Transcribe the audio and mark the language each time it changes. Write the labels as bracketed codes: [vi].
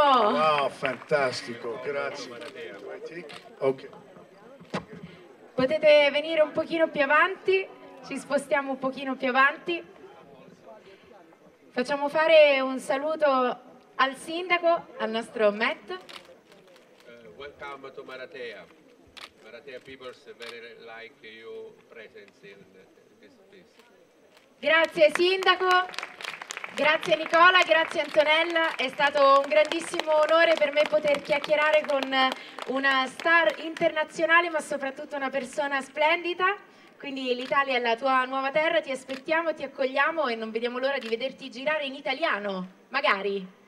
[it] Wow, fantastico. Grazie. Ok. Potete venire un pochino più avanti? Ci spostiamo un pochino più avanti. Facciamo fare un saluto al sindaco, al nostro Matt. [en] Welcome to Maratea. Maratea people very like your presence in this place. [it] Grazie sindaco, grazie Nicola, grazie Antonella. È stato un grandissimo onore per me poter chiacchierare con una star internazionale, ma soprattutto una persona splendida. Quindi l'Italia è la tua nuova terra, ti aspettiamo, ti accogliamo e non vediamo l'ora di vederti girare in italiano, magari.